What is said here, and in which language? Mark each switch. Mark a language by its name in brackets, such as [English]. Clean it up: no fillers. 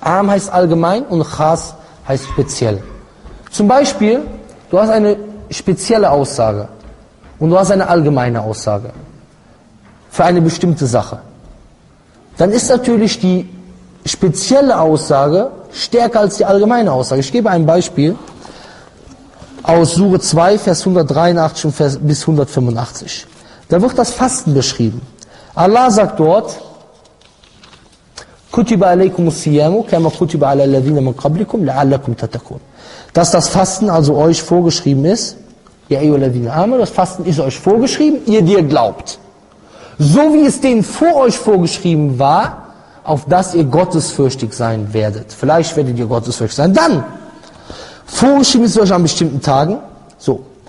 [German] Arm heißt allgemein und khas heißt speziell. Zum Beispiel, du hast eine spezielle Aussage und du hast eine allgemeine Aussage für eine bestimmte Sache. Dann ist natürlich die spezielle Aussage stärker als die allgemeine Aussage. Ich gebe ein Beispiel aus Sure 2, Vers 183 bis 185. Da wird das Fasten beschrieben. Allah sagt dort, [Arabic] كُتِبَ عَلَيْكُمُ السِّيَامُ كَمَا كُتِبَ عَلَى الَّذِينَ مِنْ قَبْلِكُمْ لَعَلَّكُمْ تَتَّقُونَ. [German] Dass das Fasten also euch vorgeschrieben ist, ja, ihr Ladine Arme, das Fasten ist euch vorgeschrieben, ihr dir glaubt. So wie es denen vor euch vorgeschrieben war, auf das ihr gottesfürchtig sein werdet. Vielleicht werdet ihr gottesfürchtig sein. Dann, vorgeschrieben ist euch an bestimmten Tagen, so.